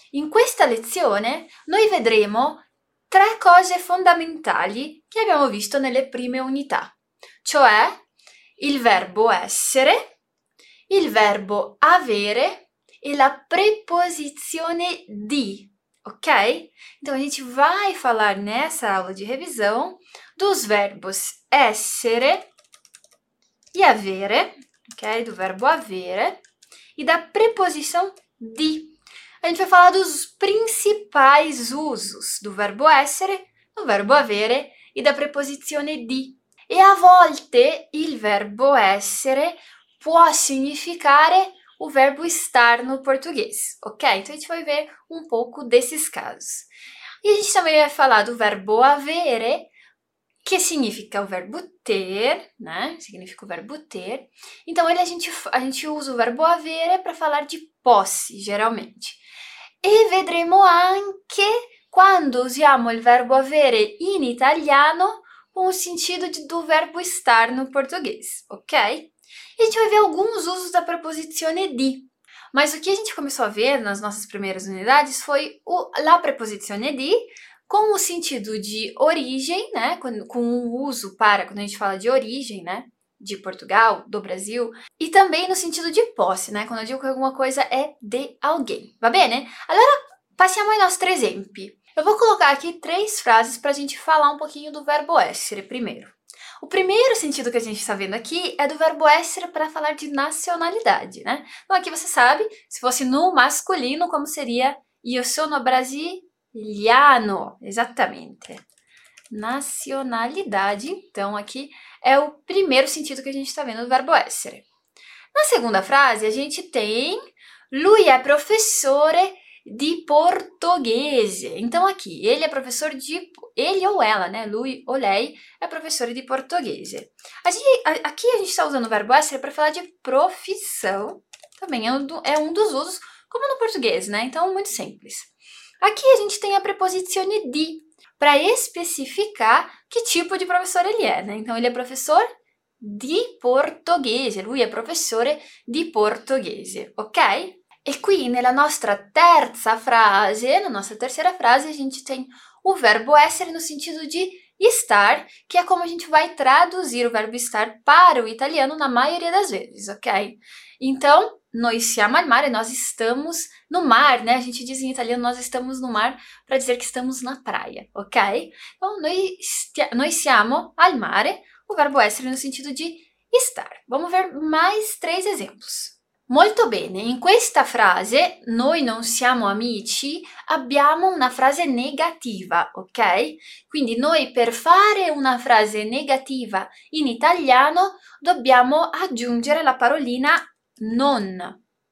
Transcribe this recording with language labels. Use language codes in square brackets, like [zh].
[it] In questa lezione noi vedremo tre cose fondamentali che abbiamo visto nelle prime unità, cioè il verbo essere, il verbo avere e la preposizione di. Ok? [pt] Então a gente vai falar nessa aula de revisão dos verbos essere e avere, ok? Do verbo avere e da preposição di. A gente vai falar dos principais usos do verbo essere, do verbo avere e da preposizione di. [it] E a volte il verbo essere può significare [pt] o verbo estar no português, [it] ok? [pt] Então a gente vai ver um pouco desses casos. E a gente também vai falar do verbo avere, que significa o verbo ter, né? Significa o verbo ter. Então a gente usa o verbo avere para falar de posse, geralmente. [it] E vedremo anche quando usiamo il verbo avere in italiano [pt] com o sentido do verbo estar no português, [it] ok? [pt] E a gente vai ver alguns usos da preposizione di. Mas o que a gente começou a ver nas nossas primeiras unidades foi la preposizione di com o sentido de origem, né? Com o uso para, quando a gente fala de origem, né? De Portugal, do Brasil. E também no sentido de posse, né? Quando eu digo que alguma coisa é de alguém. [it] Va bene? Allora, passiamo ai nostri esempi. [pt] Eu vou colocar aqui três frases para a gente falar um pouquinho do verbo essere primeiro. O primeiro sentido que a gente está vendo aqui é do verbo essere para falar de nacionalidade, né? Então aqui você sabe, se fosse no masculino, como seria [it] Io sono brasiliano, [pt] exatamente. Nacionalidade, então aqui é o primeiro sentido que a gente está vendo do verbo essere. Na segunda frase, a gente tem [it] Lui é professore di portoghese. [pt] Então aqui, ele é professor de ele ou ela, né? Lui ou lei é professor de portoghese. Aqui a gente está usando o verbo essere para falar de profissão. Também é um dos usos, como no português, né? Então muito simples. Aqui a gente tem a preposizione di para especificar que tipo de professor ele é, né? Então ele é professor di portoghese. [it] Lui é professore di portoghese, ok? E qui nella nostra terza frase, [pt] na nossa terceira frase, a gente tem o verbo essere no sentido de estar, que é como a gente vai traduzir o verbo estar para o italiano na maioria das vezes, ok? Então, [it] noi siamo al mare, [pt] nós estamos no mar, né? A gente diz em italiano, nós estamos no mar, para dizer que estamos na praia, ok? Então, [it] noi siamo al mare, [pt] o verbo essere no sentido de estar. Vamos ver mais três exemplos. [it] Molto bene, in questa frase, noi non siamo amici, abbiamo una frase negativa, ok? Quindi noi per fare una frase negativa in italiano dobbiamo aggiungere la parolina non.